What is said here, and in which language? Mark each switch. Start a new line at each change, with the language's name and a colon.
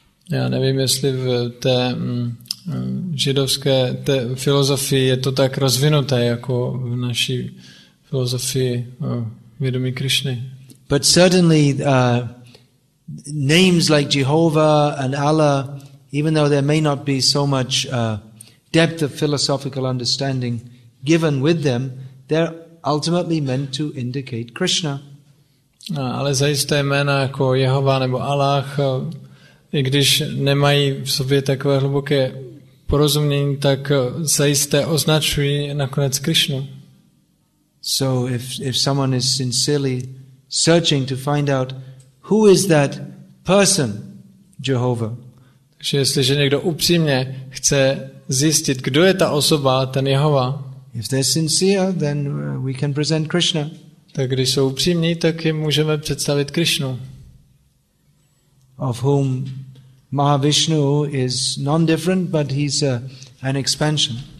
Czech: Já nevím, jestli v té židovské té filozofii je to tak rozvinuté jako v naší filozofii vědomí Krišny.
English: But certainly names like Jehovah and Allah, even though there may not be so much depth of philosophical understanding given with them, they're ultimately meant to indicate Krishna.
Czech: No, ale zajisté jména jako Jehova nebo Allah, i když nemají v sobě takové hluboké porozumění, tak zajisté označují nakonec Krishnu.
English: So if someone is sincerely searching to find out who is that person, Jehovah.
Czech: Takže jestliže někdo upřímně chce zjistit, kdo je ta osoba, ten Jehova.
English: If they're sincere, then we can present Krishna.
Czech: Tak když jsou upřímní, tak jim můžeme představit Krishnu.
English: Of whom Mahavishnu is non-different, but he's an expansion.